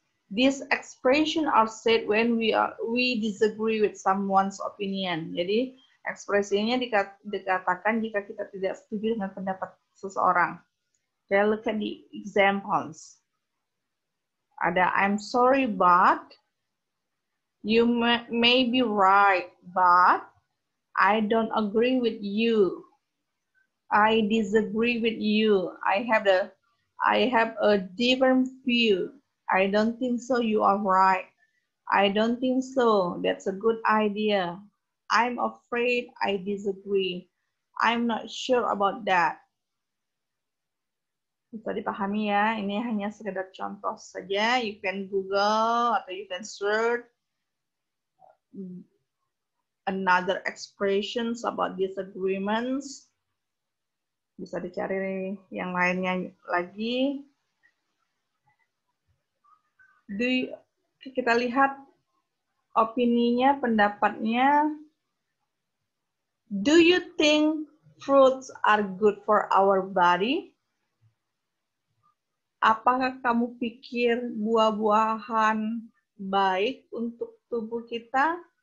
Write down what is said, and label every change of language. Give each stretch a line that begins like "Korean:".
English: These expressions are said when we disagree with someone's opinion.
Indonesian: Jadi, ekspresinya dikatakan jika kita tidak setuju dengan pendapat seseorang.
English: Okay, look at the examples.
Indonesian: Ada,
English: I'm sorry, but you may be right, but I don't agree with you. I disagree with you. I have a different view. I don't think so. You are right. I don't think so. That's a good idea. I'm afraid I disagree. I'm not sure about that.
Indonesian: Bisa dipahami ya. Ini hanya sekedar contoh saja.
English: You can Google
Indonesian: atau
English: you can search another expressions about disagreements.
Indonesian: Bisa dicari yang lainnya lagi. Kita lihat opininya, pendapatnya.
English: Do you think fruits are good for our body?
Indonesian: Apakah kamu pikir buah-buahan baik untuk tubuh kita?